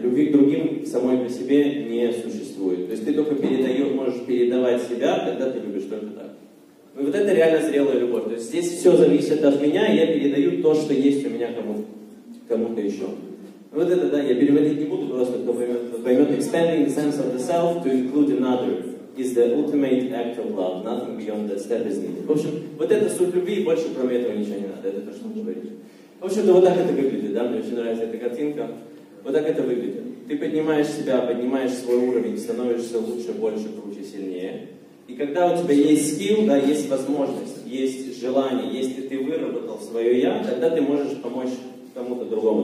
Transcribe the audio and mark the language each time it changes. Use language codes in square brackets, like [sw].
[ru] Любви к другим самой по себе не существует. То есть ты только передаешь, можешь передавать себя, когда ты любишь только так. И вот это реально зрелая любовь. То есть здесь все зависит от меня, и я передаю то, что есть у меня кому-то еще. Вот это, да, я переводить не буду, просто кто поймет. [en] Expanding the sense of the self to include another is the ultimate act of love. Nothing beyond that step is needed. [ru] В общем, вот это суть любви, и больше кроме этого ничего не надо. Это то, что он говорит. В общем-то, вот так это выглядит, да, мне очень нравится эта картинка. Вот так это выглядит. Ты поднимаешь себя, поднимаешь свой уровень, становишься лучше, больше, круче, сильнее. И когда у тебя есть скилл, да, есть возможность, есть желание, если ты выработал свое «я», тогда ты можешь помочь кому-то другому.